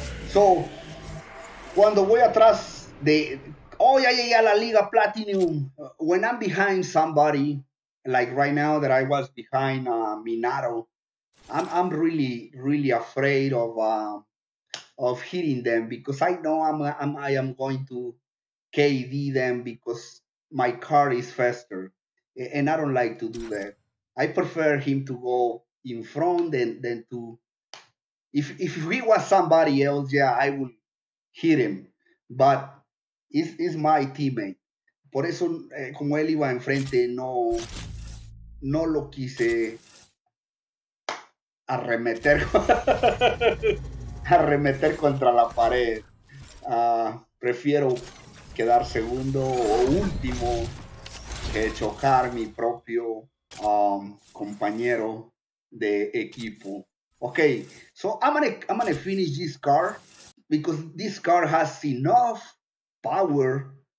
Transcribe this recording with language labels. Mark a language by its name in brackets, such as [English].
[Spanish] So, cuando voy atrás de, oh, ya llegué a la Liga Platinum. [English] When I'm behind somebody, like right now that I was behind Minato, I'm really, really afraid of hitting them, because I know I am going to KD them because my car is faster. And I don't like to do that. I prefer him to go in front than to... If he was somebody else, yeah, I would hit him. But it's my teammate. [Spanish] Por eso, como él iba enfrente, no lo quise arremeter contra la pared. Prefiero quedar segundo o último que chocar mi propio compañero de equipo. [English] Okay, so I'm gonna finish this car, because this car has enough power.